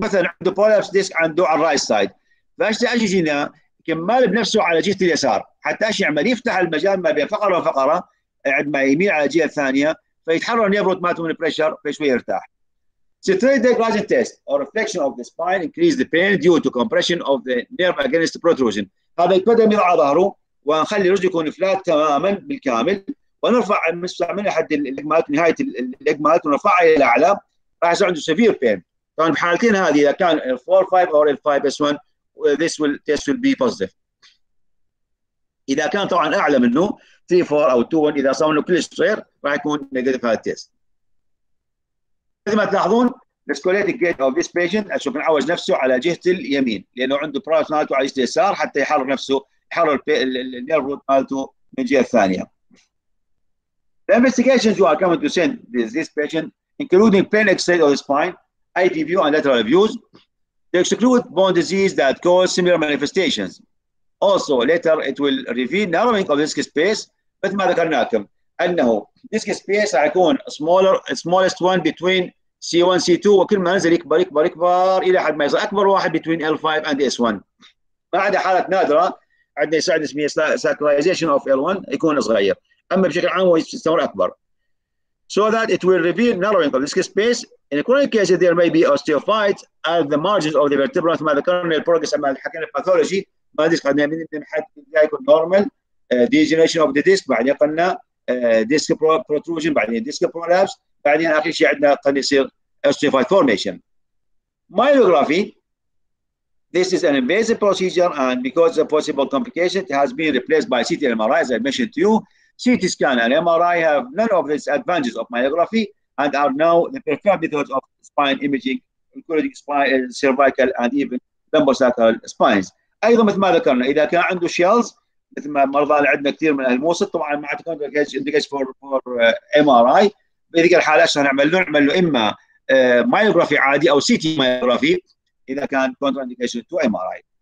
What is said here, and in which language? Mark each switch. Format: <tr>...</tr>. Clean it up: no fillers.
<ar>مثلا عنده برولابس ديسك عنده على الرايت سايد، فايش اجي هنا كمال بنفسه على جهه اليسار حتى ايش يعمل؟ يفتح المجال ما بين فقره وفقره عندما يميل على الجهه الثانيه فيتحرر النيرف مالته من البريشر فشوي يرتاح.</ar> <en>Straight leg rising test or reflection of the spine increase the pain due to compression of the nerve against the protrusion.</en> <ar>هذا يتقدم يضع ظهره ونخلي رجله يكون فلات تماما بالكامل ونرفع من حد الاجمالات نهايه الاجمالات ونرفعها الى الاعلى، راح يصير عنده سيفير بين. طبعا بحالتين هذه اذا كان 4-5 او 5-S1</ar> <en>this will test will be positive.</en> <ar>اذا كان طبعا اعلى منه 3-4 او 2-1 اذا صار منه كلش صغير راح يكون نيجاتيف هذا التيست. مثل ما تلاحظون السكوليتيك جيت اوف ذيس بيشنت اشوف نعوج نفسه على جهه اليمين لانه عنده براس مالته على جهه اليسار حتى يحرر نفسه يحرر النيرف روت مالته من الجهه الثانيه.</ar> <en>The investigations you are coming to send this patient, including pain x-ray of the spine, IT view and lateral views, to exclude bone disease that cause similar manifestations. Also, later it will reveal narrowing of the disc space</en> <ar>مثل ما ذكرنا لكم انه ديسك سبيس حيكون سمولر سمولست وان بتوين سي 1 سي 2 وكل ما ينزل يكبر يكبر يكبر الى حد ما يصير اكبر واحد بتوين ال 5 اند اس 1. ما عدا حالات نادره عندنا يساعد اسمها ساكرايزيشن اوف ال 1 يكون صغير، اما بشكل عام هو يستمر اكبر.</ar> <en>So that it will reveal narrowing of disk space. In a chronic case, there may be osteophytes at the margins of the vertebra.</en> <ar>ثم ذكرنا البروجرس اما حكينا الباثولوجي ما ديسك قد يكون من حد يكون نورمال ديجنريشن اوف ذا ديسك بعدين قلنا ديسك بروتروجن بعدين ديسك برولابس بعدين اخر شيء عندنا قد يصير osteophyte formation.</ar> <en>Myelography. This is an invasive procedure and because of possible complications, it has been replaced by CT MRI, as I mentioned to you. CT scan and MRI have none of these advantages of myography and are now the preferred methods of spine imaging, including spine, cervical and even lumbosacral spines.</en> <ar>أيضا مثل ما ذكرنا إذا كان عنده shells مثل ما مرضى عندنا كثير من الموسط طبعا ما عندكم</ar> <en>indication for MRI</en> <ar>بهذه الحالة عشان نعمله إما myography عادي أو CT myography إذا كان</ar> <en>contraindication to MRI.</en>